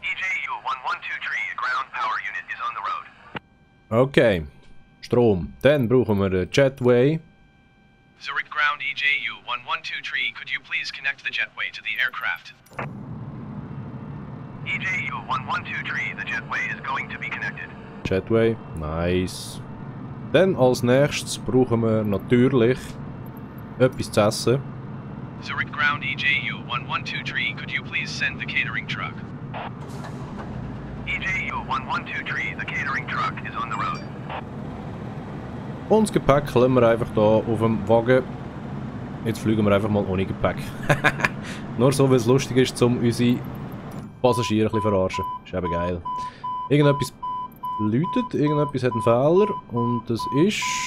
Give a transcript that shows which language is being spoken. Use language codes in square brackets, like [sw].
[en] EJU 1123, a ground power unit is on the road. [de] Okay. Strom. Dann brauchen wir den Jetway. [en] Zurich Ground EJU 1123, could you please connect the Jetway to the aircraft? EJU 1123, the Jetway is going to be connected. Jetway. Nice. [de] Dann als nächstes brauchen wir natürlich etwas zu essen. [en] Zurich Ground EJU 1123, could you please send the catering truck? EJU 1123, the catering truck is on the road. [de] Und das Gepäck lassen wir einfach hier auf dem Wagen. Jetzt fliegen wir einfach mal ohne Gepäck. Nur so, weil es lustig ist, um unsere Passagiere ein bisschen verarschen. Ist eben geil. Irgendetwas läutet, irgendetwas hat einen Fehler. Und das ist...